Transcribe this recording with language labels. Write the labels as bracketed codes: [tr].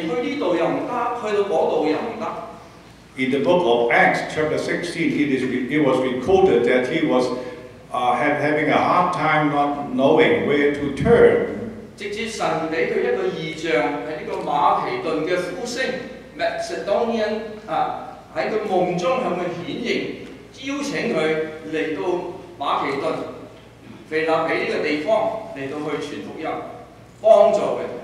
[zh] 使徒行傳16章就講到他當時去這裡又不行,去到那裡又不行。 [en] In the book of Acts, chapter 16, it was recorded that he was having a hard time not knowing where to turn. [zh] 直至神給他一個異象,是這個馬其頓的呼聲, Macedonian, 在他夢中向他顯形, 邀請他來到馬其頓, 腓立比這個地方,來到去傳福音, 幫助他。